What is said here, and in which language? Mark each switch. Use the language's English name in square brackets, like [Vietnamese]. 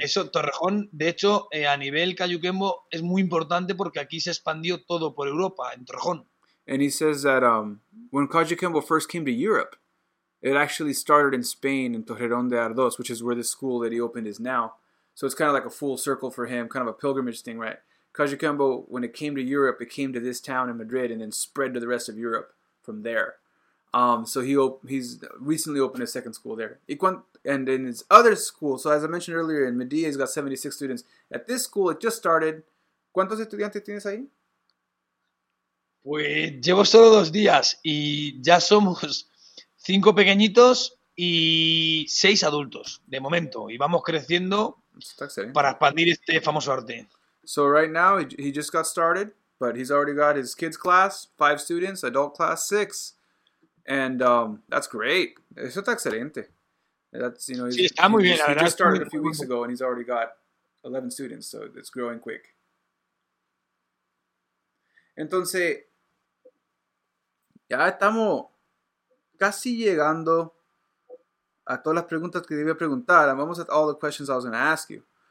[Spanish] Eso, Torrejón, de hecho, a nivel Cayuquembo es muy importante porque aquí se expandió todo por Europa, en Torrejón. [English] And he says that when Cayuquembo first came to Europe, it actually started in Spain in Torrejón de Ardoz, which is where the school that he opened is now. So it's kind of like a full circle for him, kind of a pilgrimage thing, right? Cayuquembo, when it came to Europe, it came to this town in Madrid and then spread to the rest of Europe from there. So he's recently opened a second school there. And in his other school, so as I mentioned earlier, in Medea, he's got 76 students. At this school, it just started. [Spanish] ¿Cuántos estudiantes tienes ahí? Pues llevo solo 2 días y ya somos 5 pequeñitos y 6 adultos de momento. Y vamos creciendo para expandir este famoso arte. [English] So right now, he just got started, but he's already got his kids class, 5 students, adult class, 6. And that's great. [Spanish] Eso está excelente. [English] That's, you know, [Spanish] sí, está muy bien. [English] He just started a few weeks ago and he's already got 11 students, so it's growing quick. [Spanish] Entonces, ya estamos casi llegando a todas las preguntas que debía preguntar. [English] I'm almost at all the questions I was going to ask you.